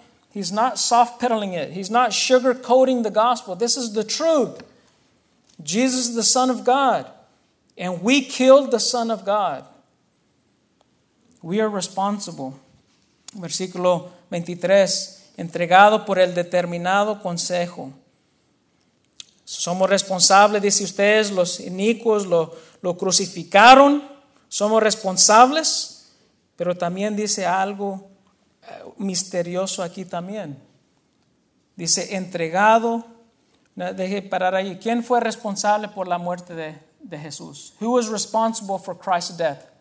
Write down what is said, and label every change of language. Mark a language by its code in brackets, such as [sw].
[en] He's not soft pedaling it. He's not sugarcoating the gospel. This is the truth. Jesus is the Son of God, and we killed the Son of God. We are responsible. [es] Versículo 23, entregado por el determinado consejo. Somos responsables, dice ustedes, los inicuos lo crucificaron. Somos responsables, pero también dice algo misterioso aquí también. Dice, entregado. Deje parar ahí. ¿Quién fue responsable por la muerte de Jesús? [en] Who was responsible for Christ's death?